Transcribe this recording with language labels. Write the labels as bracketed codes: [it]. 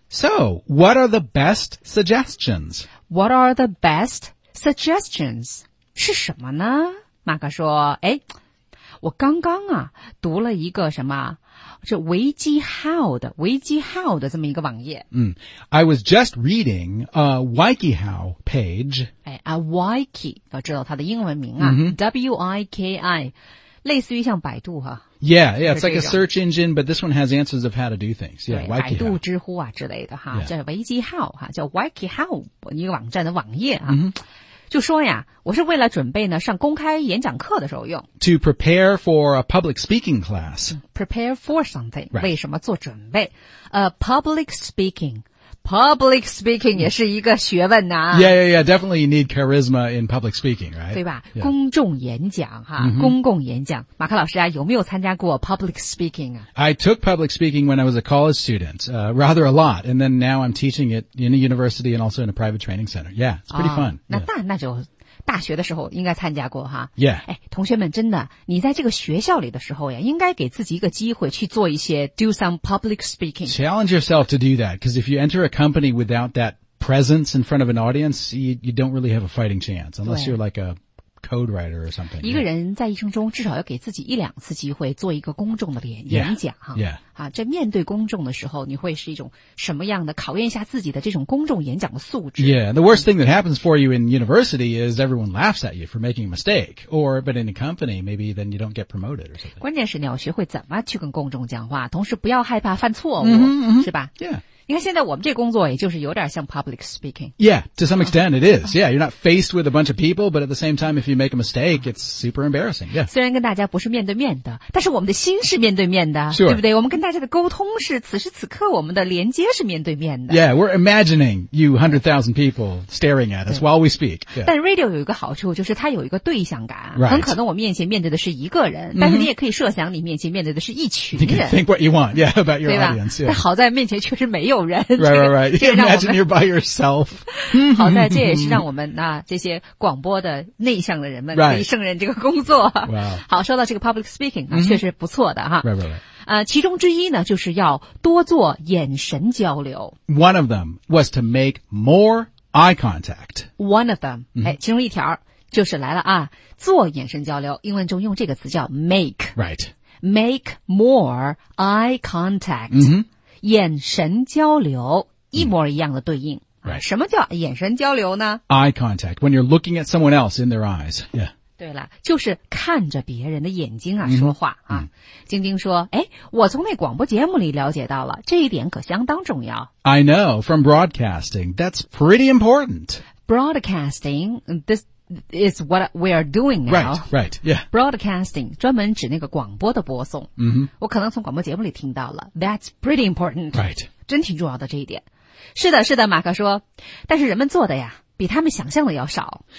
[en] So, what are the best suggestions? What are the best suggestions? 是什么呢？ [zh] 马克说，哎，我刚刚啊，读了一个什么这维基 How 的维基 How 的这么一个网页。 [en] 嗯、I was just reading a Wiki How page. [zh] 哎、啊、Wiki, 要知道它的英文名啊、 mm-hmm. ,W-I-K-I, 类似于像百度啊。 [en] Yeah, yeah, it's like a search engine, but this one has answers of how to do things. Yeah, [zh] 对，百度知乎啊之类的哈、 [en] yeah. [zh] 叫维基 How, 叫 Wiki How, 一个网站的网页啊。 Mm-hmm. 就说呀，我是为了准备呢上公开演讲课的时候用。 [en] To prepare for a public speaking class. Prepare for something,、 right. [zh] 为什么做准备。Public speaking. Public speaking 也是一个学问啊。 [en] Yeah, yeah, yeah, definitely you need charisma in public speaking, right? [zh] 对吧、 [en] yeah. [zh] 公众演讲哈、 mm-hmm. 公共演讲。马克老师啊有没有参加过 public speaking 啊 [en] ?I took public speaking when I was a college student,、rather a lot, and then now I'm teaching it in a university and also in a private training center. Yeah, it's pretty、 [zh] 哦、 [en] fun. [zh] 那大、yeah. 那就大学的时候应该参加过哈。 [en] Yeah. [zh] 哎同学们真的你在这个学校里的时候呀应该给自己一个机会去做一些 do some public speaking. [en] Challenge yourself to do that, because if you enter a company without that presence in front of an audience, you don't really have a fighting chance, unless you're like a code writer or something. [zh] 一个人在一生中至少要给自己一两次机会做一个公众的演讲哈。 [en] Yeah. [zh] 啊这面对公众的时候你会是一种什么样的考验一下自己的这种公众演讲的素质。 [en] Yeah, the worst thing that happens for you in university is everyone laughs at you for making a mistake. Or, but in a company, maybe then you don't get promoted or something. [zh] 关键是你要学会怎么去跟公众讲话同时不要害怕犯错误、 mm-hmm, mm-hmm. 是吧 [en] Yeah. [zh] 你看现在我们这工作也就是有点像 public speaking. [en] Yeah, to some extent it is. Yeah, you're not faced with a bunch of people, but at the same time, if you make a mistake, it's super embarrassing. Yeah. [zh] 虽然跟大家不是面对面的但是我们的心是面对面的、 [en] sure. [zh] 对不对我们跟大家的沟通是此时此刻我们的连接是面对面的。 [en] Yeah, we're imagining you 100,000 people staring at us while we speak.、Yeah. [zh] 但 radio 有一个好处就是它有一个对象感。 [en] Right. [zh] 很可能我面前面对的是一个人、 mm-hmm. 但是你也可以设想你面前面对的是一群人。 [en] You can think what you want, yeah, about your audience.、Yeah. [zh] 但好在面前确实没有 [en] Right, right, right. Imagine you're by yourself. [zh] 好在这也是让我们啊这些广播的内向的人们可以胜任这个工作。 [en] Right. Wow. [zh] 好，说到这个 public speaking 啊， mm-hmm. 确实不错的哈。 [en] Right, right, right. [zh] 其中之一呢，就是要多做眼神交流。 [en] One of them was to make more eye contact. One of them. [zh] 哎，其中一条就是来了啊，做眼神交流，英文中用这个词叫 make. [en] Right. Make more eye contact. Mm-hmm. [zh] 眼神交流一模一样的对应、 [en] right. [zh] 什么叫眼神交流呢 [en] Eye contact, when you're looking at someone else in their eyes.、Yeah. [zh] 对了就是看着别人的眼睛啊、mm-hmm. 说话啊。晶、mm. 晶说诶我从那广播节目里了解到了这一点可相当重要。 [en] I know, from broadcasting, that's pretty important. Broadcasting, this is what we are doing now. Right, right, yeah. [zh] Broadcasting, 专门指那个广播的播送。嗯、mm-hmm. 我可能从广播节目里听到了。 [en] That's pretty important. Right. [zh] 真挺重要的这一点。是的是的马克说。但是人们做的呀比他们想象的要少。